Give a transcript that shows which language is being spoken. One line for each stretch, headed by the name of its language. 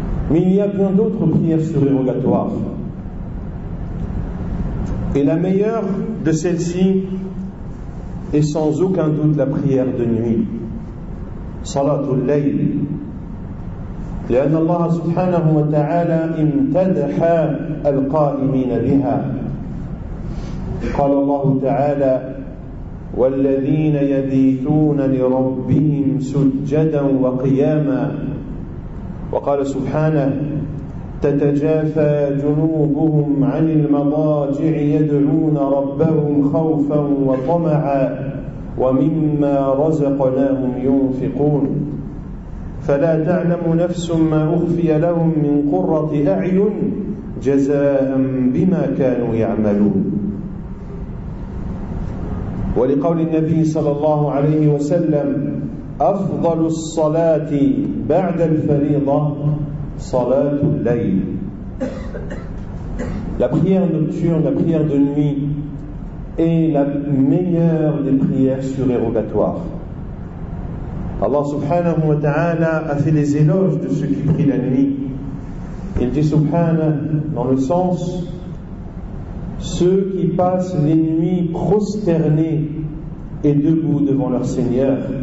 French: Mais il y a bien d'autres prières surérogatoires. Et la meilleure de celles-ci est sans aucun doute la prière de nuit, salatul layl.
Arabic: لأن الله سبحانه وتعالى امتدح القائمين بها. قال الله تعالى والذين يبيتون لربهم سجدا وقياما. وقال سبحانه تتجافى جنوبهم عن المضاجع يدعون ربهم خوفا وطمعا ومما رزقناهم ينفقون فلا تعلم نفس ما أخفي لهم من قرة أعين جزاء بما كانوا يعملون. ولقول النبي صلى الله عليه وسلم أفضل الصلاة بعد الفريضة صلاة الليل.
French: La prière nocturne, la prière de nuit est la meilleure des prières surérogatoires. Allah subhanahu wa ta'ala a fait les éloges de ceux qui prient la nuit. Il dit subhanahu dans le sens ceux qui passent les nuits prosternés et debout devant leur Seigneur.